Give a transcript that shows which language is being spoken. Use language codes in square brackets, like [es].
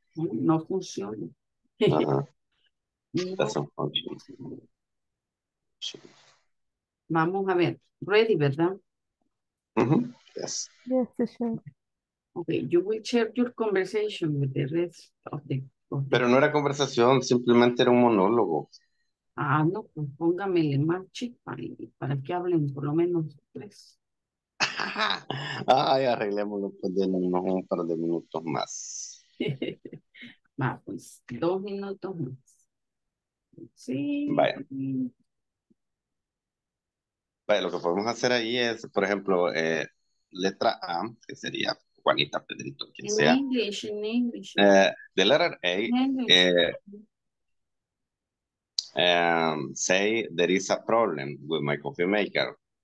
[es] No funciona. [en] Uh-huh. Doesn't function. [es] Vamos a ver. Ready, ¿verdad? [en] Mm-hmm. Yes. Yes, for sure. Okay, you will share your conversation with the rest of the... [es] Pero no era conversación, simplemente era un monólogo. Ah, no, pues póngamele más chispa para que hablen por lo menos tres. Ay, arreglémoslo pues de unos un par de minutos más. Va, pues, dos minutos más. Sí. Vaya. Bueno, lo que podemos hacer ahí es, por ejemplo, letra A, que sería Juanita, Pedrito, quien [en] in [es] sea. [en] English, in English. The letter A, say there is a problem with my coffee maker.